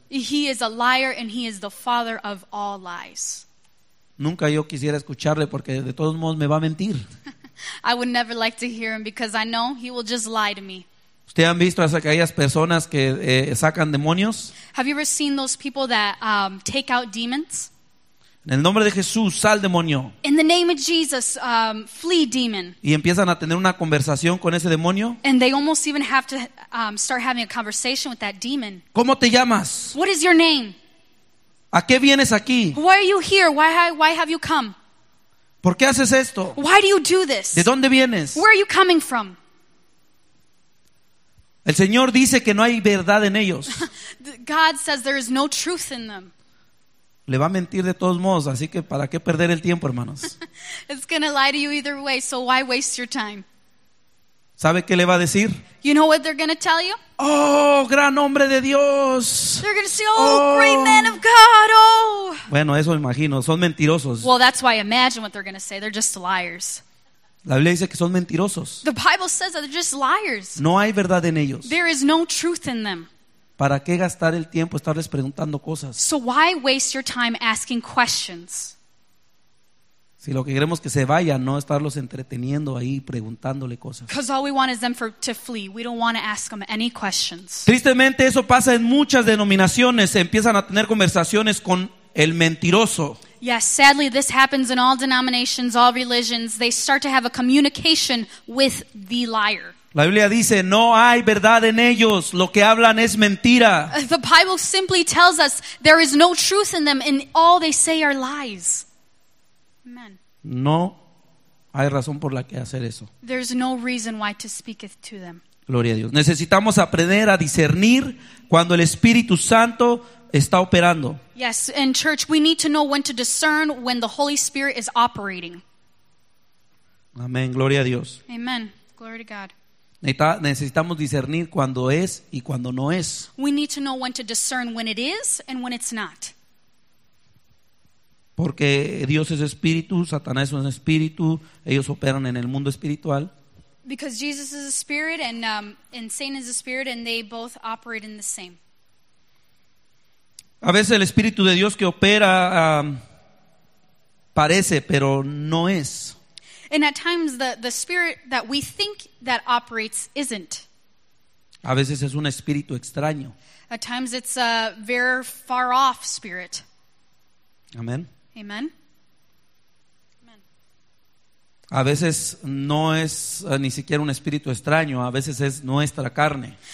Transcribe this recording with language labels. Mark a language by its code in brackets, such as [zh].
[en] He is a liar and he is the father of all lies. [es] Nunca yo quisiera escucharle porque de todos modos me va a mentir. [en] I would never like to hear him because I know he will just lie to me. [es] ¿Usted han visto a aquellas personas que sacan demonios? [en] Have you ever seen those people that take out demons? [es] En el nombre de Jesús, sal demonio. [en] In the name of Jesus, flee demon. [es] Y empiezan a tener una conversación con ese demonio. [en] And they almost even have to start having a conversation with that demon. [es] ¿Cómo te llamas? [en] What is your name? [es] ¿A qué vienes aquí? [en] Why are you here? Why have you come? [es] ¿Por qué haces esto? [en] Why do you do this? [es] ¿De dónde vienes? [en] Where are you coming from? [es] El Señor dice que no hay verdad en ellos. [en] God says there is no truth in them. [es] Le va a mentir de todos modos, así que ¿para qué perder el tiempo, hermanos? [en] It's going to lie to you either way, so why waste your time? [es] ¿Sabe qué le va a decir? [en] You know what they're going to tell you? [es] Oh, gran hombre de Dios. [en] They're going to say, oh, great man of God, oh. [es] Bueno, eso imagino, son mentirosos. [en] Well, that's why I imagine what they're going to say. They're just liars. [es] La Biblia dice que son mentirosos. [en] The Bible says that they're just liars. [es] No hay verdad en ellos. [en] There is no truth in them. [es] ¿Para qué gastar el tiempo estarles preguntando cosas? [en] So why waste your time asking questions? [es] Si lo que queremos es que se vayan, no estarlos entreteniendo ahí preguntándole cosas. [en] Because all we want is them to flee. We don't want to ask them any questions. [es] Tristemente eso pasa en muchas denominaciones. Se empiezan a tener conversaciones con el mentiroso. [en] Yes, sadly this happens in all denominations, all religions. They start to have a communication with the liar. [es] La Biblia dice, no hay verdad en ellos. Lo que hablan es mentira. [en] The Bible simply tells us there is no truth in them and all they say are lies. Amen. [es] No hay razón por la que hacer eso. [en] There's no reason why to speaketh to them. [es] Gloria a Dios. Necesitamos aprender a discernir cuando el Espíritu Santo está operando. [en] Yes, in church we need to know when to discern when the Holy Spirit is operating. [es] Amén. Gloria a Dios. [en] Amen. Glory to God. [es] Necesitamos discernir cuando es y cuando no es. [en] We need to know when to discern when it is and when it's not. [es] Porque Dios es espíritu, Satanás es un espíritu, ellos operan en el mundo espiritual. [en] Because Jesus is a spirit and Satan is a spirit and they both operate in the same. [es] A veces el espíritu de Dios que opera parece, pero no es. [en] And at times the spirit that we think that operates isn't. [es] A veces es un espíritu extraño. [en] At times it's a very far off spirit. Amen. Amen. Amen. [es] A veces no es ni siquiera un espíritu extraño, a veces es nuestra carne.